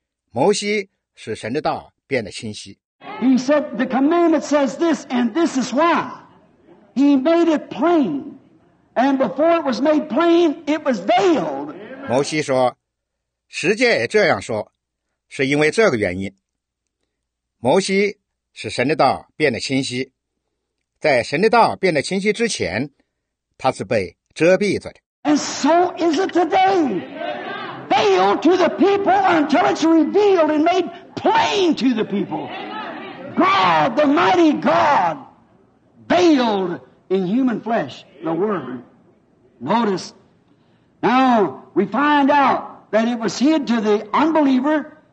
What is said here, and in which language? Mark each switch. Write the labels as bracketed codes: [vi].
[zh] 摩西使神的道变得清晰。 [en] He said, the commandment says this, and this is why. He made it plain. And before it was made plain, it was veiled. [zh] 摩西说，十诫也这样说，是因为这个原因。摩西使神的道变得清晰。在神的道变得清晰之前，他是被遮蔽着的。 [en] And so is it today, veiled to the people until it's revealed and made plain to the people. God, the mighty God, veiled in human flesh, the Word. Notice, now we find out that it was hid to the unbeliever